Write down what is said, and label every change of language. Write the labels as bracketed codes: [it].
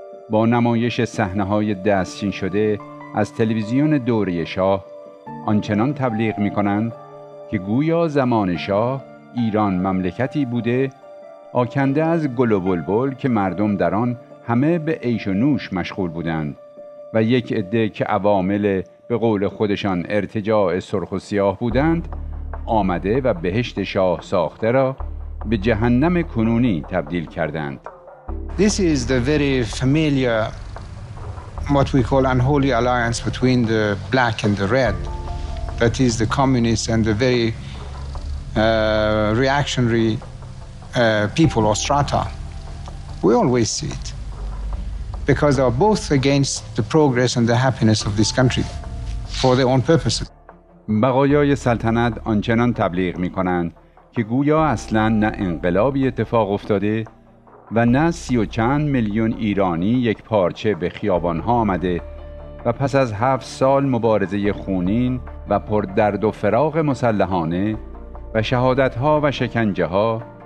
[fa] با نمایش صحنه‌های دستچین شده از تلویزیون دوره شاه آنچنان تبلیغ می‌کنند که گویا زمان شاه ایران مملکتی بوده آکنده از گل و بلبل که مردم در آن همه به عیش و نوش مشغول بودند و یک عده که عوامل به قول خودشان ارتجاع سرخ و سیاه بودند آمده و بهشت شاه ساخته را به جهنم کنونی تبدیل کردند. [en] This is the very familiar what we call unholy alliance between the black and the red. That is the communists and the very reactionary people or strata. We always see it. Because they are both against the progress and the happiness of this country for their own purposes. [fa] بقایای سلطنت آنچنان تبلیغ می کنند که گویا اصلا نه انقلابی اتفاق افتاده و نه 30 و چند میلیون ایرانی یک پارچه به خیابان ها آمده و پس از 7 سال مبارزه خونین و پر درد و فراق مسلحانه و شهادت ها و شکنجه ها